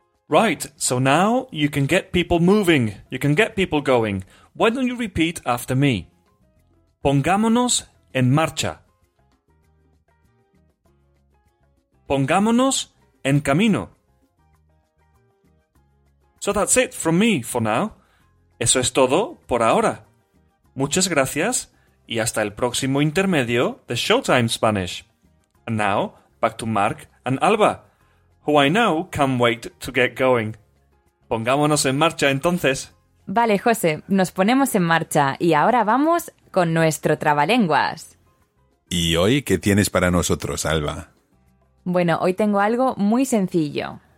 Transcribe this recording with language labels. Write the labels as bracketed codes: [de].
[en] Right, so now you can get people moving, you can get people going. Why don't you repeat after me? [es] Pongámonos en marcha. Pongámonos en camino. [en] So that's it from me for now. [es] Eso es todo por ahora. Muchas gracias y hasta el próximo intermedio de Showtime Spanish. [en] And now, back to Mark and Alba, who I know can't wait to get going. [es] Pongámonos en marcha, entonces. Vale, José, nos ponemos en marcha y ahora vamos con nuestro trabalenguas. ¿Y hoy qué tienes para nosotros, Alba? Bueno, hoy tengo algo muy sencillo.